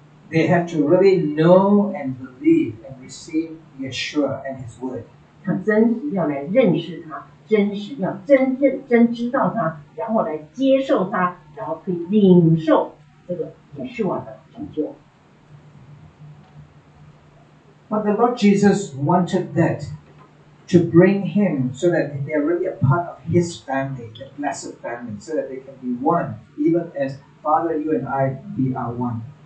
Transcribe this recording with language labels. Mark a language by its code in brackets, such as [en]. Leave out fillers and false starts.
[en] They have to really know and believe and receive Yeshua and His Word. [zh] 他真要来认识他，真是要真知道他，然后来接受他，然后可以领受这个耶稣的拯救。But [en] the Lord Jesus wanted that to bring him so that they're really a part of His family, the blessed family, so that they can be one, even as. Father, you and I, we are one.